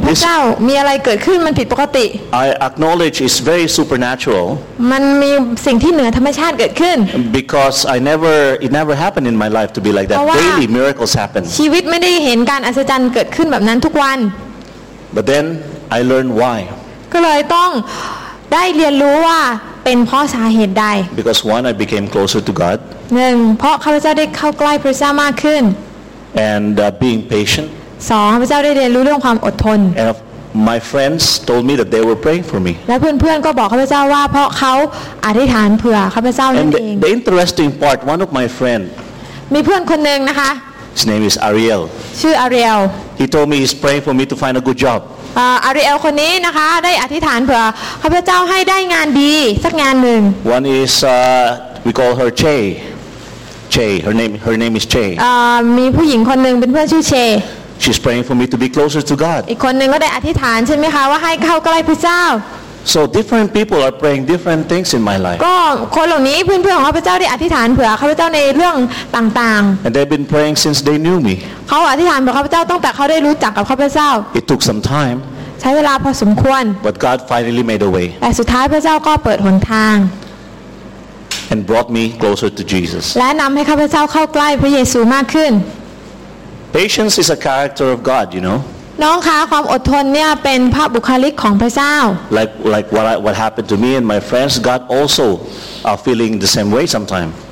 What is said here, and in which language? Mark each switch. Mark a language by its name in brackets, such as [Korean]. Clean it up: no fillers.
[Thai] พระเจ้ามีอะไรเกิดขึ้นมันผิดปกติ [English] I acknowledge it's very supernatural. [Thai] มันมีสิ่งที่เหนือธรรมชาติเกิดขึ้น [English] Because it never happened in my life to be like that. Daily miracles happen. [Thai] ชีวิตไม่ได้เห็นการอัศจรรย์เกิดขึ้นแบบนั้นทุกวัน [English] But then I learned why. [Thai] ก็เลยต้องได้เรียนรู้ว่าเป็นเพราะสาเหตุใด [English] Because one I became closer to God. [Thai] 1เพราะข้าพเจ้าได้เข้าใกล้พระเจ้ามากขึ้น [English] And being patient. [Thai] 2ข้าพเจ้าได้เรียนรู้เรื่องความอดทน [English] And my friends told me that they were praying for me. [Thai] และเพื่อนๆก็บอกข้าพเจ้าว่าเพราะเขาอธิษฐานเผื่อข้าพเจ้านั่นเอง [English] And the interesting part one of my friend. [Thai] มีเพื่อนคนนึงนะคะ [English] His name is Ariel. [Thai] ชื่ออาริเอล [English] He told me he's praying for me to find a good job. [Thai] อาริเอลคนนี้นะคะได้อธิษฐานเผื่อข้าพเจ้าให้ได้งานดีสักงานหนึ่ง [English] One is we call her Che her name is Che [Thai] มีผู้หญิงคนหนึ่งเป็นเพื่อนชื่อ Che [English] She's praying for me to be closer to God. [Thai] อีกคนนึงก็ได้อธิษฐานใช่ไหมคะว่าให้เข้าใกล้พระเจ้า [English] So different people are praying different things in my life. [Thai] ก็คนเหล่านี้เพื่อนๆของข้าพเจ้าได้อธิษฐานเผื่อข้าพเจ้าในเรื่องต่าง [English] ๆ And they've been praying since they knew me. [Thai] เขาอธิษฐานเผื่อข้าพเจ้าตั้งแต่เขาได้รู้จักกับข้าพเจ้า [English] It took some time. [Thai] ใช้เวลาพอสมควร [English] But God finally made a way [Thai] แต่สุดท้ายพระเจ้าก็เปิดหนทาง [English] And brought me closer to Jesus [Thai] และนำให้ข้าพเจ้าเข้าใกล้พระเยซูมากขึ้น [English] Patience is a character of God you know [Thai] น้องคะความอดทนเนี่ยเป็นพระบุคลิกของพระเจ้า [English] Like what happened to me and my friends God also are feeling the same way sometimes